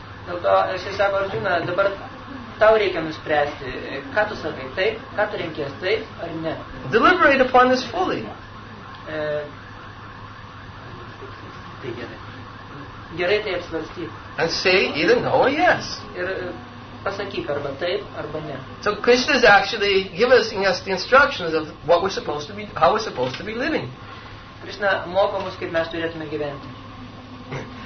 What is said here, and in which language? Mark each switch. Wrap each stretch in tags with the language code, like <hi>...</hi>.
<lt>Dėl to, jis sako, Arjuna, dabar tau reikia nuspręsti, ką tu sakai taip, ką tu renkies taip ar ne.</lt> <en>Deliberate upon this fully.</en> <lt>Gerai tai apsvarstyk.</lt> <en>And say either no or yes.</en> <lt>Ir pasakyk arba taip arba ne.</lt> <en>So Krishna is actually giving us the instructions of what we're supposed to be, how we're supposed to be living.</en> <lt>Krishna moko mus, kaip mes turėtume gyventi.</lt>